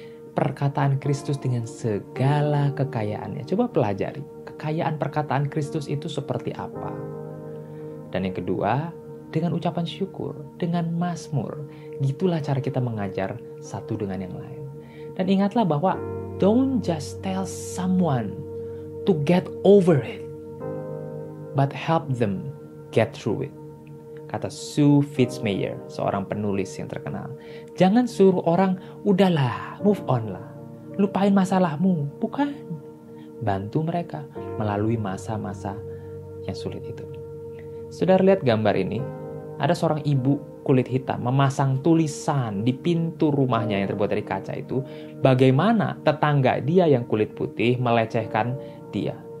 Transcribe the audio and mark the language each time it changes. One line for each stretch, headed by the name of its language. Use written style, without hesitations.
Indonesian: Perkataan Kristus dengan segala kekayaannya. Coba pelajari, kekayaan perkataan Kristus itu seperti apa. Dan yang kedua, dengan ucapan syukur, dengan mazmur, gitulah cara kita mengajar satu dengan yang lain. Dan ingatlah bahwa,
English: don't just tell someone to get over it, but help them get through it.
Indonesian: Kata Sue Fitzmayer, seorang penulis yang terkenal. Jangan suruh orang, udahlah,
English: move on
Indonesian: lah, lupain masalahmu. Bukan. Bantu mereka melalui masa-masa yang sulit itu. Saudara lihat gambar ini, ada seorang ibu kulit hitam memasang tulisan di pintu rumahnya yang terbuat dari kaca itu, bagaimana tetangga dia yang kulit putih melecehkan dia.